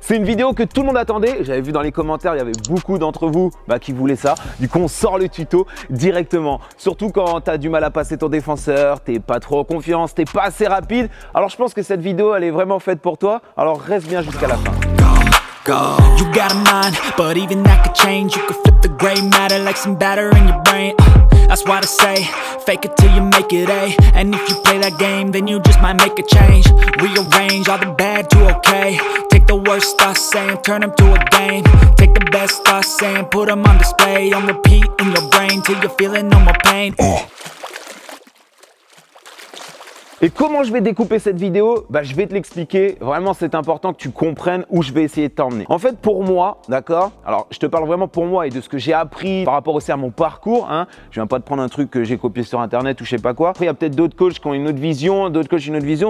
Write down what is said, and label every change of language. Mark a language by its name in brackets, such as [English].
[French] C'est une vidéo que tout le monde attendait. J'avais vu dans les commentaires, il y avait beaucoup d'entre vous qui voulaient ça. Du coup, on sort le tuto directement. Surtout quand tu as du mal à passer ton défenseur, t'es pas trop en confiance, t'es pas assez rapide. Alors, je pense que cette vidéo, elle est vraiment faite pour toi. Alors, reste bien jusqu'à la fin. [English] You got a mind, but even that could change. You could flip the gray matter like some batter in your brain. That's what I say, fake it till you make it, eh? And if you play that game, then you just might make a change. Rearrange all the bad to okay. Take the worst thoughts saying, turn them to a game. Take the best thoughts saying, put them on display. On repeat in your brain till you're feeling no more pain. [French] Et comment je vais découper cette vidéo? Je vais te l'expliquer. Vraiment, c'est important que tu comprennes où je vais essayer de t'emmener. En fait, pour moi, d'accord? Alors, je te parle vraiment pour moi et de ce que j'ai appris par rapport aussi à mon parcours. Je viens pas de prendre un truc que j'ai copié sur Internet ou je sais pas quoi. Après, il y a peut-être d'autres coachs qui ont une autre vision, d'autres coachs une autre vision.